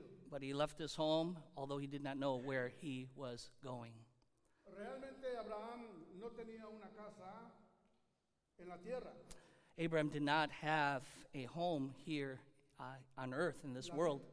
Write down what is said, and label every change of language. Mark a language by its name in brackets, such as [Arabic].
[English] But he left his home, although he did not know where he was going. [Spanish] Realmente Abraham no tenía una casa en la tierra. [English] Abraham did not have a home here on earth in this world.